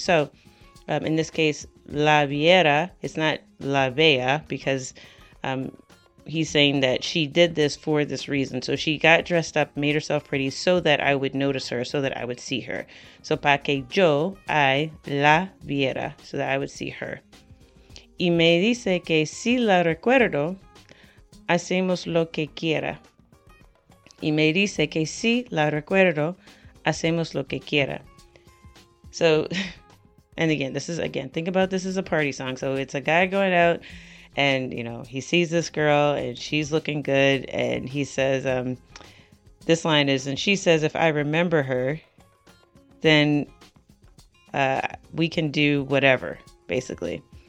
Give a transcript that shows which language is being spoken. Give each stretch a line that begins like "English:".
English: So in this case,
Spanish: la viera,
English: it's not
Spanish: la vea,
English: because he's saying that she did this for this reason. So she got dressed up, made herself pretty so that I would notice her, so that I would see her. So
Spanish: para que yo,
English: I,
Spanish: la viera,
English: so that I would see her.
Spanish: Y me dice que si la recuerdo, hacemos lo que quiera. Y me dice que si la recuerdo, hacemos lo que quiera.
English: So, and again, this is, again, think about this as a party song. So it's a guy going out and, you know, he sees this girl and she's looking good. And he says, this line is, and she says, if I remember her, then we can do whatever, basically.